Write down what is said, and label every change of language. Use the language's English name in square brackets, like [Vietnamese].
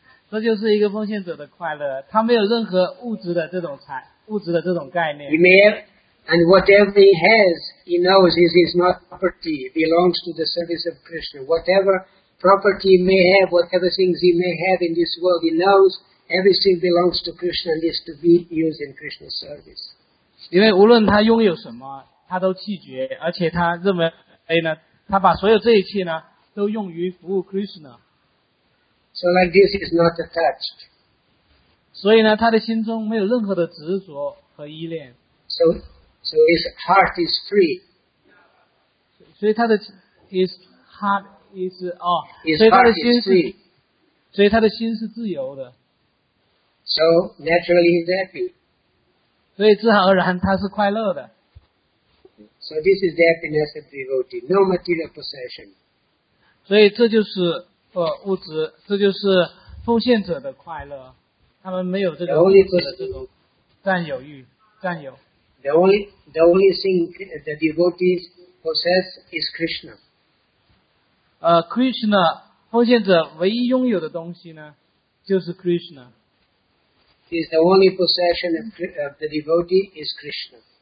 [Chinese] 这就是一个奉献者的快乐。他没有任何物质的这种概念。 [English] He may have, and whatever he has, he knows is his not property. Belongs to the service of Krishna. Whatever property he may have, whatever things he may have in this world, he knows. Everything belongs to Krishna and is to be used in Krishna's service. [Chinese] 因为无论他拥有什么,他都拒绝，而且他认为，哎呢，他把所有这一切呢，都用于服务 Krishna。 [English] So like this is not attached。 [Chinese] 所以呢，他的心中没有任何的执着和依恋。 [English] So his heart is free。 [Chinese] 所以他的 [English] his heart is [Chinese] 哦， [English] his、 [Chinese] 所以他的心是 [English] free。 [Chinese] 所以他的心是自由的。 [English] So naturally he's happy。 [Chinese] 所以自然而然他是快乐的。 [English] So this is the happiness of devotee, no material possession. [Chinese] 所以这就是物质，这就是奉献者的快乐，他们没有这个物质的这种占有欲、占有。 [English] The only thing the devotees possess is Krishna. [Chinese] Krishna, 奉献者唯一拥有的东西呢，就是 Krishna. [English] Is the only possession of the devotee is Krishna.